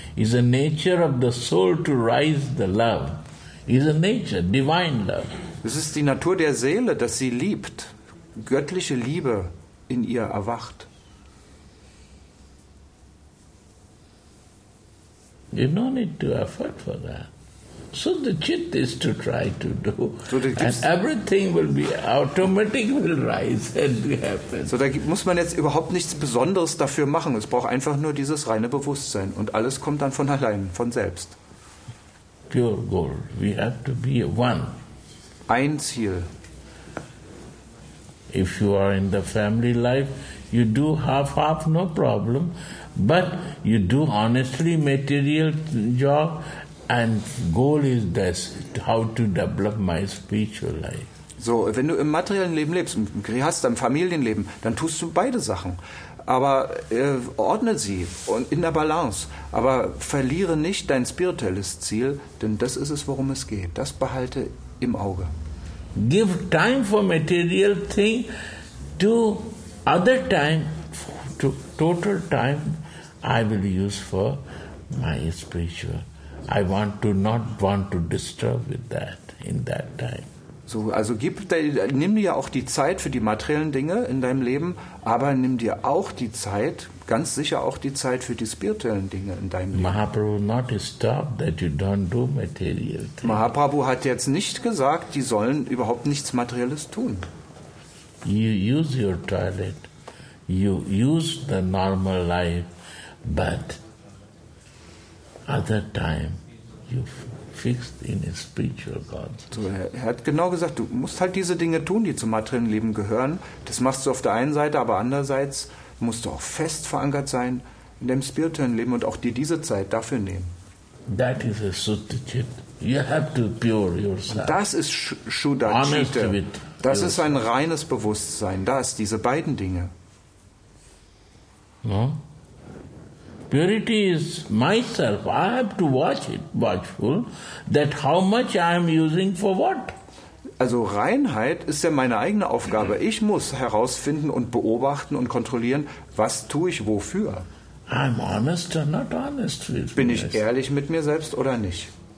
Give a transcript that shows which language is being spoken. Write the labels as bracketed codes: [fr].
[en] It's the nature of the soul to rise the love. It's the nature, divine love. [de] Es ist die Natur der Seele, dass sie liebt. Göttliche Liebe in ihr erwacht. [en] You no need to effort for that. So the chit is to try to do. So and everything will be automatic will rise and happen. [de] So da muss man jetzt überhaupt nichts Besonderes dafür machen. Es braucht einfach nur dieses reine Bewusstsein. Und alles kommt dann von allein, von selbst. [en] Pure goal. We have to be one. [de] Ein Ziel. [en] If you are in the family life, you do half-half, no problem. But you do honestly material job, and goal is this, how to develop my spiritual life. [de] So, wenn du im materiellen Leben lebst, im Grihastha, im Familienleben, dann tust du beide Sachen. Aber ordne sie und in der Balance. Aber verliere nicht dein spirituelles Ziel, denn das ist es, worum es geht. Das behalte im Auge. [en] Give time for material thing to other time, to total time I will use for my spiritual. I want to not want to disturb with that in that time. [de] So, also nimm dir auch die Zeit für die materiellen Dinge in deinem Leben, aber nimm dir auch die Zeit, ganz sicher auch die Zeit für die spirituellen Dinge in deinem Leben. [en] Mahaprabhu not stop that you don't do material things. [de] Mahaprabhu hat jetzt nicht gesagt, die sollen überhaupt nichts Materielles tun. [en] You use your toilet, you use the normal life, but other time you fixed in a spiritual God. [de] So, er hat genau gesagt, du musst halt diese Dinge tun, die zum materiellen Leben gehören. Das machst du auf der einen Seite, aber andererseits musst du auch fest verankert sein in dem spirituellen Leben und auch dir diese Zeit dafür nehmen. [en] That is a Shuddha-Chit. You have to pure yourself. [de] Und das ist Shuddha-Chitta. Das ist ein reines Bewusstsein. Das, diese beiden Dinge. [en] No? Purity is myself. I have to watch it, watchful, that how much I am using for what. [de] Also Reinheit ist ja meine eigene Aufgabe. Ich muss herausfinden und beobachten und kontrollieren, was tue ich wofür. [en] I'm honest or not honest with myself. [de] Bin ich ehrlich mit mir selbst oder nicht?